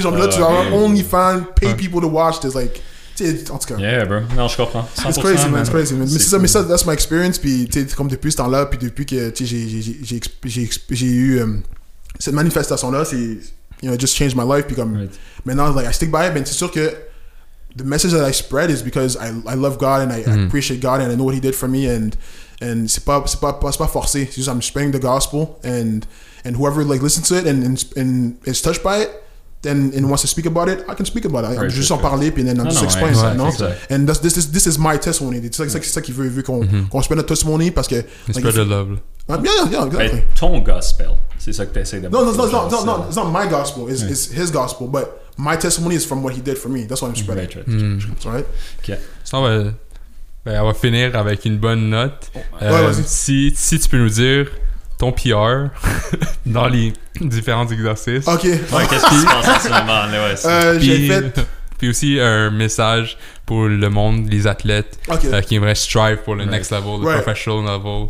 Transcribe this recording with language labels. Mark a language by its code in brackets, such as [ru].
[fr] Genre, là, tu as [en] only fans, pay people to watch. There's like, [fr] tu sais, en tout cas. [en] Yeah, bro. [fr] Non, je comprends. [en] 100%, it's crazy, man. [fr] Mais c'est cool. Ça, [en] that's my experience. [fr] Puis, tu sais, comme depuis ce temps-là, puis depuis que, tu sais, j'ai eu cette manifestation-là, c'est. [en] You know, it just changed my life. Become, but now like I stick by it. But it's sure that the message that I spread is because I love God and I appreciate God and I know what He did for me and it's not forcé. It's just I'm spreading the gospel and whoever like listens to it and is touched by it, then and wants to speak about it, I can speak about it. Right, [fr] juste en parler puis [en] then just explain [fr] ça, non? [en] And this is my testimony. [fr] C'est ça, c'est ça qu'il veut, qu'on [en] spend a testimony [fr] parce que [en] spread the love. Yeah, exactly. [fr] But ton gospel, c'est ça que t'essaies de. [en] No, it's not my gospel. It's his gospel, but my testimony is from what he did for me. That's why I'm spreading. Right. [fr] Okay. Ça va. On va finir avec une bonne note. Si tu peux nous dire ton PR dans les différents exercices. Ok. Ouais, qu'est-ce qui se passe en ce moment? Puis aussi un message pour le monde, les athlètes qui aimeraient [en] strive [fr] pour le [en] next level, [fr] le [en] professional level.